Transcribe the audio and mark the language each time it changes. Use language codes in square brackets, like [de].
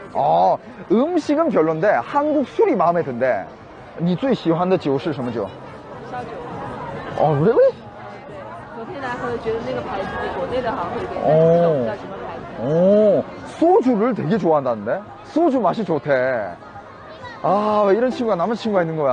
[ko] 哦, 음식은 별론데 한국 술이 마음에 든대. [zh] 你最喜欢的酒是什么酒? 烧酒。 [en] 哦, really? [zh] 昨天来喝，觉得那个牌子比国内的好喝一点。哦。哦。 [ko] 소주를 되게 좋아한다는데? 소주 맛이 좋대. 아, 왜 이런 친구가 남은 친구가 있는 거야?